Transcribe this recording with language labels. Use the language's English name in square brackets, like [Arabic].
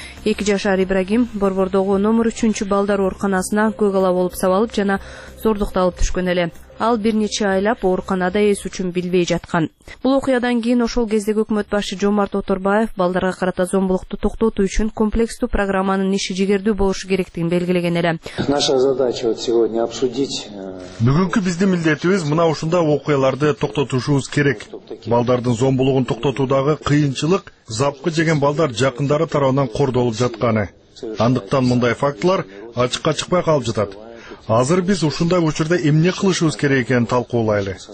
[Kyrgyz] 2 жашар Ибрагим Борбордогу номер 3 балдар ооруканасына көк ала болуп сабалып жана зордукталып түшкөн эле. Ал бир нече айлап ооруканада эс үчүн билбей жаткан. Бул окуядан кийин ошол кездеги өкмөт башчы Жомарт Оторбаев балдарга карата зомбулукту токтотуу үчүн комплекстүү программанын иши жигердүү болушу керектигин белгилеген эле. [Russian] Наша задача вот сегодня обсудить. [Kyrgyz] Бүгүнкү биздин милдетибиз мына ушундай окуяларды токтотушубуз керек. Балдардын зомбулугун токтотуудагы кыйынчылык запкы жеген балдар жакындары тарабынан кордолуп жатканы. Андыктан мындай фактылар ачыкка чыкпай калып жатат. Азыр биз ушундай учурда эмне кылышыбыз керек экенин талкуулайлы.